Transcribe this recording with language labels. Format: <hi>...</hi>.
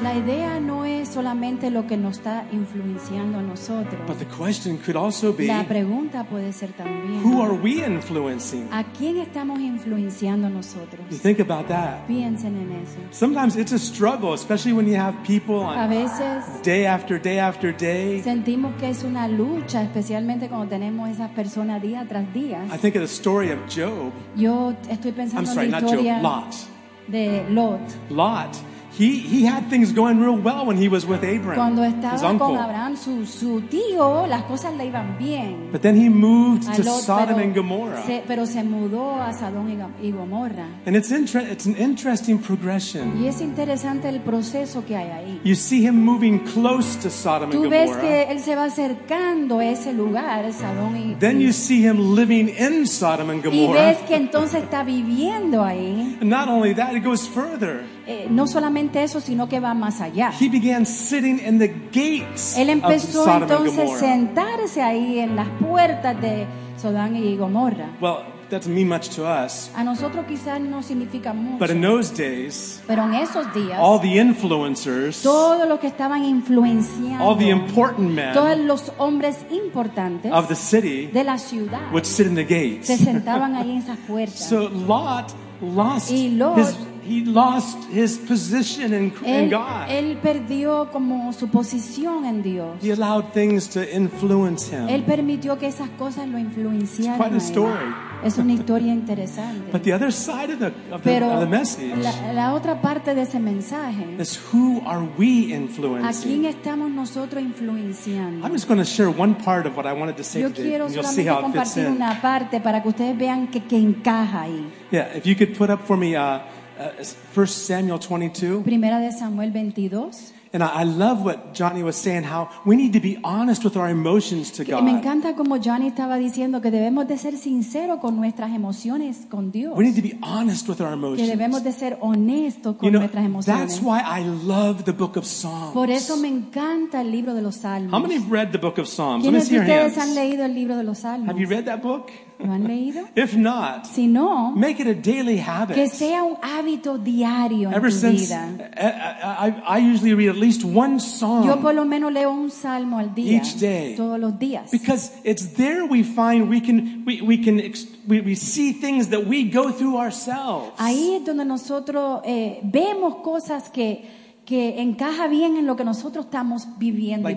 <es>La idea no es solamente lo que nos está influenciando a nosotros.</es> <en>But the question could also be.</en> <es>La pregunta puede ser también.</es> <en>Who are we influencing?</en> <es>¿A quién estamos influenciando nosotros?</es> <en>You think about that.</en> <es>Piensen en eso.</es> <en>Sometimes it's a struggle, especially when you have people on.</en> <es>A veces.</es> <en>Day after day after day.</en> <es>Sentimos que es una lucha, especialmente cuando tenemos esas personas día tras día.</es> <en>I think of the story of Job.</en> <es>Yo estoy pensando en la historia.</es> <en>I'm sorry, not Job, Lot.</en> <es>De Lot.</es> <en>Lot, he had things going real well when he was with Abram.</en> <es>Cuando estaba</es> <en>his uncle.</en> <es>Con Abraham, su tío, las cosas le iban bien.</es> <en>But then he moved to Sodom and Gomorrah.</en> <es>Pero se mudó a Sodom y Gomorra.</es> <en>And it's an interesting progression.</en> <es>Y es interesante el proceso que hay ahí.</es> <en>You see him moving close to Sodom and Gomorrah.</en> <es>Tú ves que él se va acercando a ese lugar, a Sodom y Gomorra.</es> <en>Then you see him living in Sodom and Gomorrah.</en> <es>Y ves que entonces está viviendo ahí.</es> <en>And not only that, it goes further.</en> <es>No solamente eso, sino que va más allá.</es> <en>He began sitting in the gates.</en> <es>Él empezó</es> <en>of Sodom</en> <es>entonces sentarse ahí en las puertas de Sodom y Gomorra.</es> <en>Well, that doesn't mean much to us.</en> <es>A nosotros quizás no significa mucho.</es> <en>But in those days,</en> <es>pero en esos días,</es> <en>all the influencers,</en> <es>todos los que estaban influenciando,</es> <en>all the important men,</en> <es>todos los hombres importantes</es> <en>of the city,</en> <es>de la ciudad,</es> <en>would sit in the gates.</en> <es>Se sentaban ahí en esas puertas.</es> <en>So Lot lost he lost his position in God.</en> <es>Él perdió como su posición en Dios.</es> <en>He allowed things to influence him.</en> <es>Él permitió que esas cosas lo influenciaran.</es> <en>It's quite a story.</en> <es>Es una historia interesante.</es> <en>But the other side of the message.</en> <es>La otra parte de ese mensaje.</es> <en>Is who are we influencing?</en> <es>¿A quién estamos nosotros influenciando?</es> <en>I'm just going to share one part of what I wanted to say</en> <es>yo</es> <en>today.</en> <es>Quiero</es> <en>and you'll see how it fits in.</en> <es>Una parte para que ustedes vean que encaja ahí.</es> <en>Yeah, if you could put up for me 1 Samuel 22.</en> <es>Primera de Samuel 22.</es> <en>And I love what Johnny was saying, how we need to be honest with our emotions to God.</en> <es>Me encanta como Johnny estaba diciendo que debemos de ser sinceros con nuestras emociones con Dios.</es> <en>We need to be honest with our emotions.</en> <es>Que debemos de ser honestos con nuestras emociones.</es> <en>That's why I love the book of Psalms.</en> <es>Por eso me encanta el libro de los Salmos.</es> <en>How many have read the book of Psalms? Let me see your hands.</en> <es>¿Quiénes han leído el libro de los Salmos?</es> <en>Have you read that book?</en> <es>¿Lo han leído?</es> <en>If not,</en> <es>si no,</es> <en>make it a daily habit.</en> <es>Que sea un hábito diario</es> <en>ever</en> <es>en tu</es> <en>since,</en> <es>vida.</es> <en>I usually read at least one psalm.</en> <es>Yo por lo menos leo un salmo al día.</es> <en>Each day,</en> <es>todos los días.</es> <en>Because it's there we find we see things that we go through ourselves.</en> <es>Ahí es donde nosotros vemos cosas que encaja bien en lo que nosotros estamos viviendo</es>